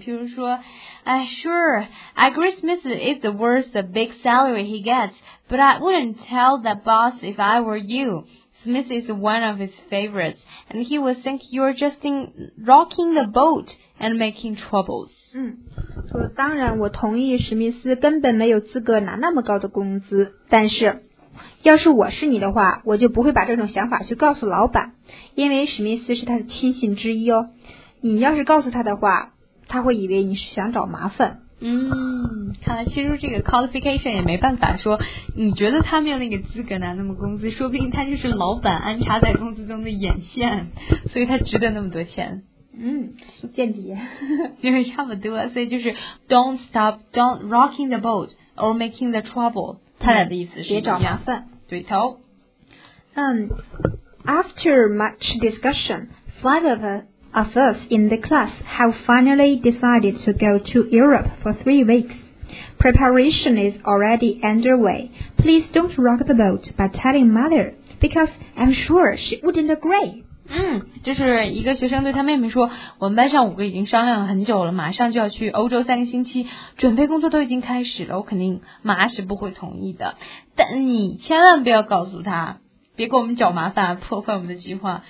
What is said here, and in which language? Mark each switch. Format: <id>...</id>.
<zh>譬如说，哎</zh> <en>，Sure， I agree Smith is the worth the big salary he gets， but I wouldn't tell the boss if I were you。 Smith is one of his favorites, and he would think you're just in rocking the boat and making troubles.</en> <zh>嗯，说当然我同意史密斯根本没有资格拿那么高的工资，但是要是我是你的话，我就不会把这种想法去告诉老板，因为史密斯是他的亲信之一哦。你要是告诉他的话，他会以为你是想找麻烦。嗯，看来其实这个 qualification 也没办法说，你觉得他没有那个资格拿那么工资，说不定他就是老板安插在工资中的眼线，所以他值得那么多钱。嗯，间谍，就是差不多，所以就是</zh> <en>don't rocking the boat or making the trouble，</en> <zh>他俩的意思是别找麻烦，对头。</zh> <en>After much discussion, five of us in the class have finally decided to go to Europe for 3 weeks. Preparation is already underway. Please don't rock the boat by telling mother, because I'm sure she wouldn't agree.</en> <zh>这是一个学生对他妹妹说，我们班上五个已经商量了很久了，马上就要去欧洲3个星期，准备工作都已经开始了，我肯定妈是不会同意的，但你千万不要告诉她，别给我们找麻烦，破坏我们的计划。</zh>